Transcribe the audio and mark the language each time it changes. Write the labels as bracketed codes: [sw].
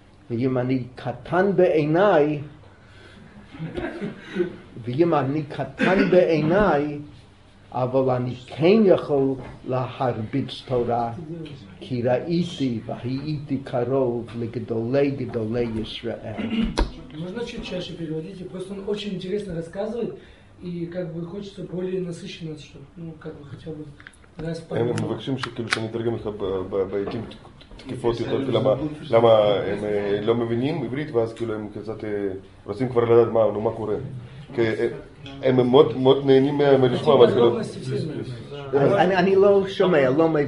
[he] ואם אני קטן בעיניי, ואם אני קטן בעיניי, אבל אני כן יכול להרביץ תורה, כי ראיתי והייתי קרוב לגדולי גדולי ישראל. [ru] Можно чуть-чаще переводить? Просто он очень интересно рассказывает, и как бы хочется более насыщенно, что, ну, как бы хотя бы раз по... [he] Мы מבקשים שכאילו שאני תרגם לך בעיתים תקיפות יותר, למה הם לא מבינים עברית, ואז כאילו הם קצת רוצים כבר לדעת מה, נו, מה קורה. הם מאוד נהנים מלשמוע, אבל כאילו... אני לא שומע, לא מבין.